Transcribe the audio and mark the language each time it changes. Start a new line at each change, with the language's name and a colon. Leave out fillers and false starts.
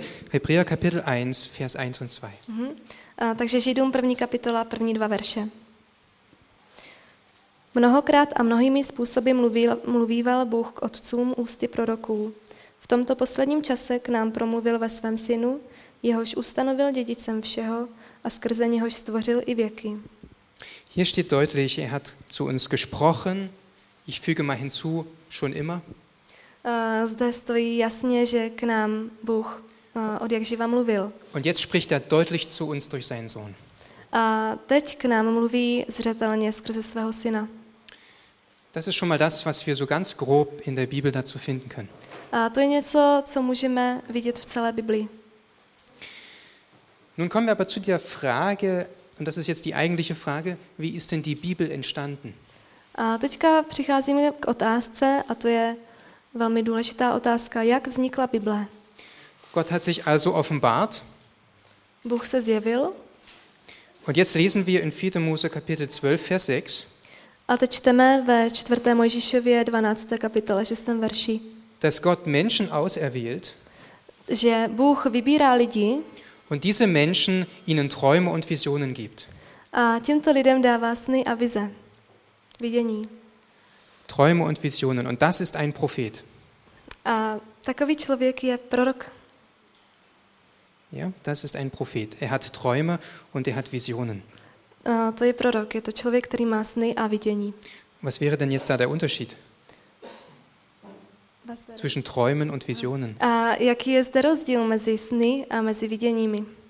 German: Hebräer Kapitel 1, Vers 1 und 2.
Czech: Takže Židům první kapitola, první dva verše. Mnohokrát a mnohými způsoby mluvíval Bůh k otcům ústy proroků. V tomto posledním čase k nám promluvil ve svém synu, jehož ustanovil dědicem všeho a skrze něhož stvořil i věky.
German: Hier steht deutlich, er hat zu uns gesprochen, ich füge mal hinzu, schon immer.
Czech: Zde stojí jasně, že k nám Bůh od jakživa mluvil.
German: Und jetzt spricht er deutlich zu uns durch seinen Sohn.
Czech: A teď k nám mluví zřetelně skrze svého syna.
German: Das ist schon mal das, was wir so ganz grob in der Bibel dazu finden können.
Czech: A to je něco, co můžeme vidět v celé Biblii.
German: Nun kommen wir aber zu der Frage, und das ist jetzt die eigentliche Frage, wie ist denn die Bibel entstanden?
Czech: A teďka přicházíme k otázce, a to je velmi důležitá otázka, jak vznikla Bible?
German: Gott hat sich also offenbart.
Czech: Bůh se zjevil.
German: Und jetzt lesen wir in 4. Mose Kapitel 12 Vers 6.
Czech: A teď čteme ve 4. Mojžíšově 12. kapitole 6. verši.
German: Dass Gott Menschen auserwählt.
Czech: Že Bůh vybírá lidi.
German: Und diese Menschen ihnen Träume und Visionen gibt.
Czech: A těmto lidem dává sny a vize. Vidění.
German: Träume und Visionen, und das ist ein Prophet.
Czech: A takový člověk je prorok.
German: Ja, das ist ein Prophet. Er hat Träume und er hat Visionen.
Czech: To je prorok, je to člověk, který má sny a vidění.
German: Was wäre denn jetzt da der Unterschied? Zwischen Träumen und Visionen.
Czech: A jaký je zde rozdíl mezi sny a mezi viděními?